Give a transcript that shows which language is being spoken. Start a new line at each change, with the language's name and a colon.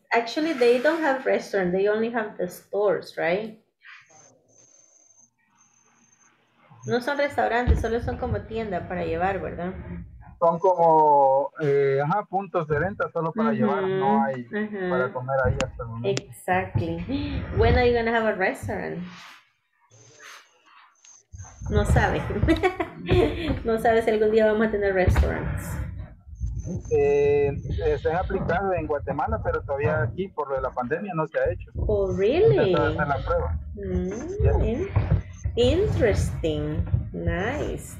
English: Actually, they don't have restaurants, they only have the stores, right?
Spanish: No son restaurantes, solo son como tienda para llevar, ¿verdad? Son como puntos de venta solo para llevar, no hay para comer ahí hasta el momento.
English: Exactly. When are you going to have a restaurant?
Spanish: No sabe. No sabe si algún día vamos a tener restaurants. Se ha aplicado en Guatemala, pero todavía aquí, por lo de la pandemia, no se ha hecho.
English: Oh, really?
Spanish: Se está haciendo la prueba.
English: Yeah. Interesting. Nice.